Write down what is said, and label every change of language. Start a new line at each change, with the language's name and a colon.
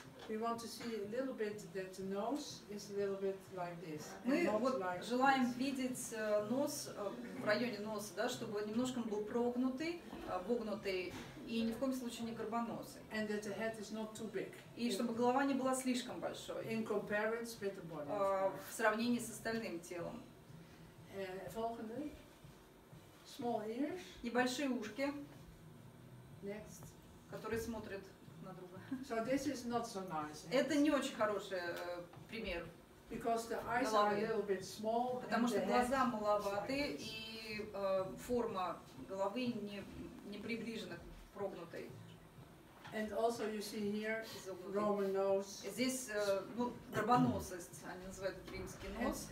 English: We want to see a little bit that the nose is a little bit like this.
Russian: Мы вот
English: like
Russian: желаем
English: this.
Russian: Видеть нос в районе носа, да, чтобы немножко он был прогнутый, вогнутый и ни в коем случае не горбоносый.
English: And that the head is not too big.
Russian: И чтобы голова не была слишком большой.
English: In comparison with the body.
Russian: В сравнении с остальным телом.
German: Folgende.
English: Small ears.
Russian: Небольшие ушки.
English: Next.
Russian: Которые смотрят на друга.
English: So this is not so nice.
Russian: Это не очень хороший пример.
English: Because the eyes are a little bit small.
Russian: Потому что глаза маловаты и форма головы не приближена к прогнутой.
English: And also you see here Roman nose.
Russian: Здесь горбоносость, они называют римский нос.